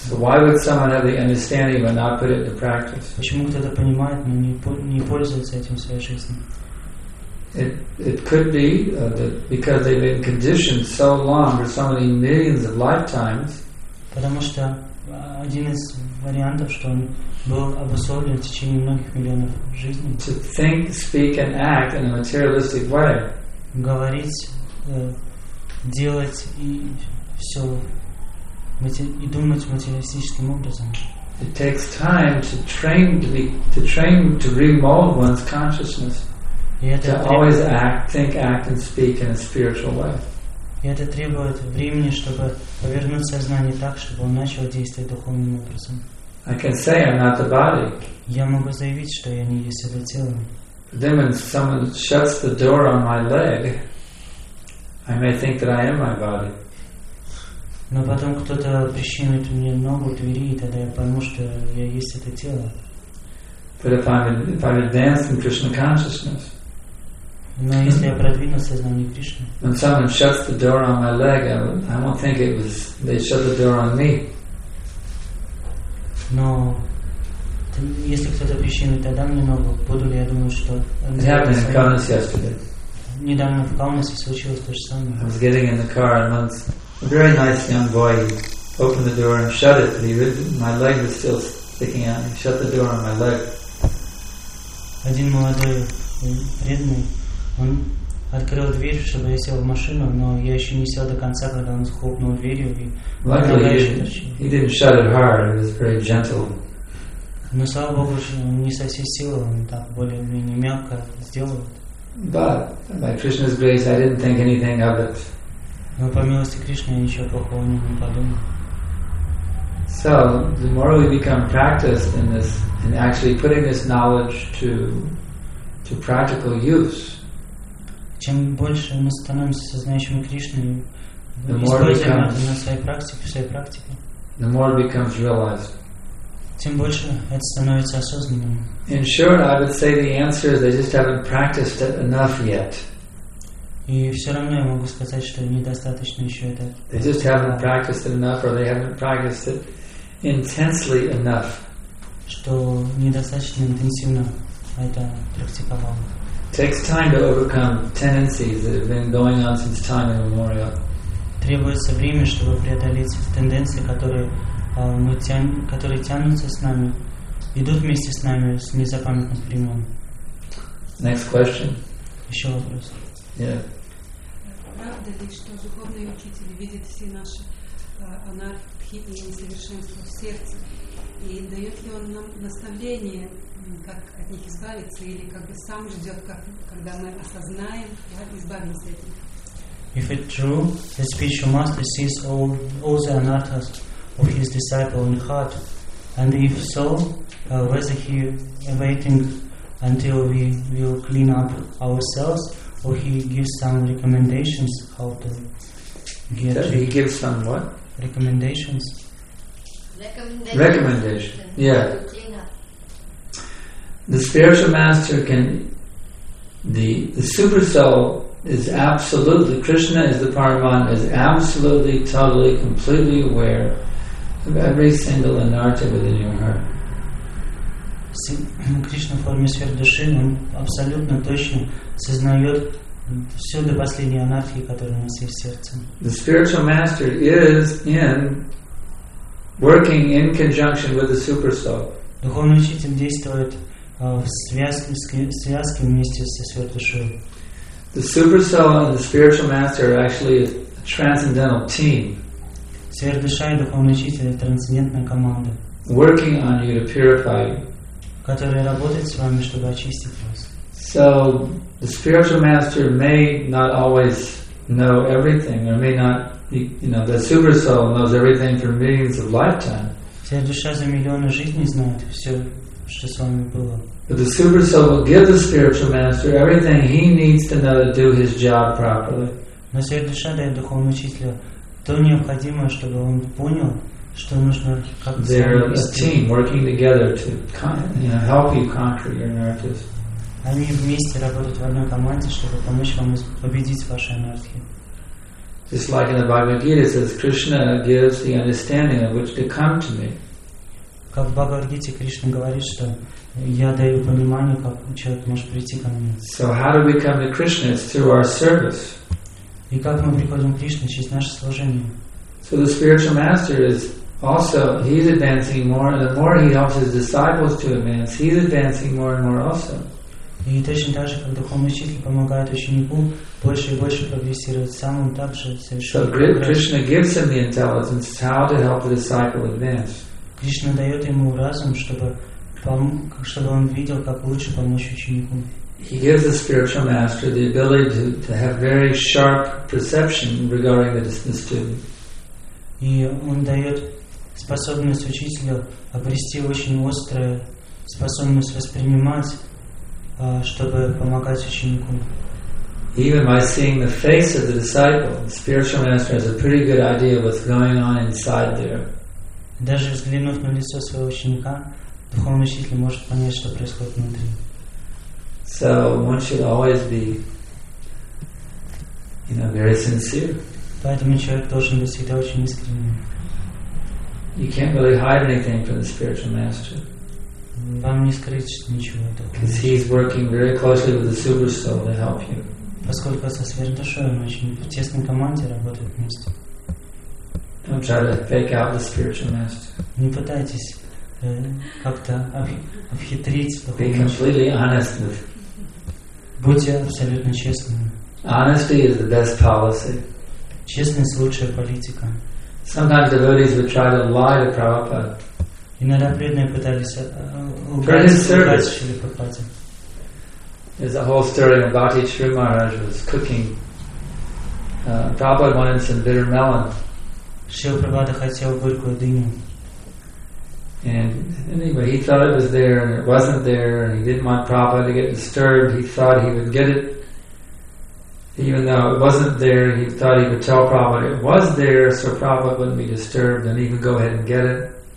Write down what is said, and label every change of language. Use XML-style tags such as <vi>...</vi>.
<en>So why would someone have the understanding but not put it into practice?</en> <ru>Почему кто-то понимает, но не пользуется этим в своей жизни?</ru> <en>It could be that because they've been conditioned so long for so many millions of lifetimes.</en> <ru>Потому что один из вариантов, что он был обусловлен в течение многих миллионов жизней.</ru> <en>To think, speak, and act in a materialistic way.</en> <ru>Говорить, делать и все и думать материалистическим образом.</ru> <en>It takes time to remold one's consciousness. To always act, think, act, and speak in a spiritual way.</en> <ru>И это требует времени, чтобы повернуть сознание так, чтобы он начал действовать духовным образом.</ru> <en>I can say I'm not the body.</en> <ru>Я могу заявить, что я не есть это тело.</ru> <en>Then when someone shuts the door on my leg, I may think that I am my body.</en> <ru>Но потом кто-то прищемит мне ногу в двери, и тогда я пойму, что я есть это тело.</ru> <en>But if I'm advanced in Krishna consciousness.</en> <ru>Но если я продвину сознание Кришны.</ru> <en>When someone shuts the door on my leg, I won't think it was they shut the door on me.</en> <ru>Но если кто-то причинит, тогда мне ногу, буду ли я думать, что недавно в Каунасе случилось то же самое.</ru> <en>I was getting in the car and once a very nice young boy opened the door and shut it, but my leg was still sticking out. He shut the door on my leg.</en> <ru>Один молодой преданный. Он открыл дверь, чтобы я сел в машину, но я еще не сел до конца, когда он захлопнул дверью. И</ru> <en>luckily, he didn't shut it hard. It was very gentle.</en> <ru>Но слава Богу, он не со всей силы, он так более-менее мягко сделал.</ru> <en>But by Krishna's grace, I didn't think anything of it.</en> <ru>Но по милости Кришны я ничего плохого не подумал.</ru> <en>So the more we become practiced in this, in actually putting this knowledge to practical use.</en> <ru>Чем больше мы становимся сознающими Кришны, используем это на своей практике, в своей практике,</ru> <en>the more it becomes realized.</en> <ru>Тем больше это становится осознанным.</ru> <en>In short, I would say the answer is they just haven't practiced it enough yet.</en> <ru>И все равно я могу сказать, что недостаточно еще это.</ru> <en>They just haven't practiced it enough, or they haven't practiced it intensely enough.</en> <ru>Что недостаточно интенсивно это практиковало.</ru> <en>Takes time to overcome tendencies that have been going on since time immemorial.</en> <ru>Требуется время, чтобы преодолеть тенденции, которые тянутся с нами, идут вместе с нами с незапамятных времен.</ru> <en>Next question.</en> <ru>Еще вопрос.</ru> <en>Yeah.</en> <ru>Правда ли, что духовные учители видят все наши анархи и несовершенства в сердце, и дает ли он нам наставление? Как от них избавиться или как бы сам ждет, когда мы осознаем, как избавимся от них.</ru> <en>If it's true, the spiritual master sees all the anarthas of his disciple in heart, and if so, whether he awaiting until we will clean up ourselves, or he gives some recommendations how to get. He gives some what? Recommendations. Recommendation. Yeah. The spiritual master can. The super soul is absolutely. Krishna is the Paramatma, is absolutely, totally, completely aware of every single anartha within your heart. Krishna in form of sphere of soul, he absolutely,</en> <ru>точно сознает все до последней анархии, которая у нас есть в сердце.</ru> <en>The spiritual master is in working in conjunction with the super soul.</en> <ru>Духовный учитель действует. В связке вместе со сверхдушой.</ru> <en>The super soul and the spiritual master are actually a transcendental team.</en> <ru>Сверхдуша и духовный учитель — это трансцендентная команда.</ru> <en>Working on you to purify you.</en> <ru>Которая работает с вами, чтобы очистить вас.</ru> <en>So the spiritual master may not always know everything, or may not, you know, the super soul knows everything for millions of lifetime.</en> <ru>Сверхдуша за миллионы жизней знает все.</ru> <en>But the super soul will give the spiritual master everything he needs to know to do his job properly.</en> <ru>Но сверхдуша дает духовному учителю то необходимое, чтобы он понял, что нужно как.</ru> <en>They're a team working together to help you conquer your anarthas.</en> <ru>Они вместе работают в одной команде, чтобы помочь вам победить ваши анархии.</ru> <en>Just like in the Bhagavad Gita, it says Krishna gives the understanding of which to come to me.</en> <ru>Как в Бхагавад Гите Кришна говорит, что я даю понимание, как человек может прийти ко мне.</ru> <en>So how do we come to Krishna? It's through our service.</en> <ru>И как мы приходим к Кришне через наше служение.</ru> <en>So the spiritual master is also he's advancing more, and the more he helps his disciples to advance, he's advancing more and more also.</en> <ru>И точно так же, как духовный учитель помогает ученику больше и больше прогрессировать, сам он также совершает.</ru> <en>So Krishna gives him the intelligence how to help the disciple advance.</en> <ru>Кришна дает ему разум, чтобы он видел, как лучше помочь ученику.</ru> <en>He gives the spiritual master the ability to have very sharp perception regarding the student.</en> <ru>И он дает способность учителю обрести очень острую способность воспринимать, чтобы помогать ученику.</ru> <en>Even by seeing the face of the disciple, the spiritual master has a pretty good idea of what's going on inside there.</en> <ru>Даже взглянув на лицо своего ученика, духовный учитель может понять, что происходит внутри.</ru> <en>So one should always be, you know, very sincere.</en> <ru>Поэтому человек должен быть всегда очень искренним.</ru> <en>You can't really hide anything from the spiritual master.</en> <ru>Вам не скрыть ничего.</ru> <en>Because he's working very closely with the super soul to help you.</en> <ru>Поскольку со сверхдушой он очень в тесной команде работает вместе.</ru> <en>Don't try to fake out the spiritual master.</en> <ru>Не пытайтесь как-то обхитрить.</ru> <en>Be completely honest with.</en> <ru>Будьте абсолютно честными.</ru> <en>Honesty is the best policy.</en> <ru>Честность лучшая политика.</ru> <en>Sometimes devotees would try to lie to Prabhupada.</en> <ru>Иногда преданные пытались убрать Шрилу Прабхупаде.</ru> <en>There's a whole story when Bhati Shri Maharaj was cooking. Prabhupada wanted some bitter melon.</en> <ru>Шрила Прабхупада хотел горькую дыню.</ru> <en>And anyway, he thought it was there, and it wasn't there, and he didn't want Prabhupada to get disturbed. He thought he would get it, even though it wasn't there. He thought he would tell Prabhupada it was there, so Prabhupada wouldn't be disturbed, and he would go ahead and get it.</en>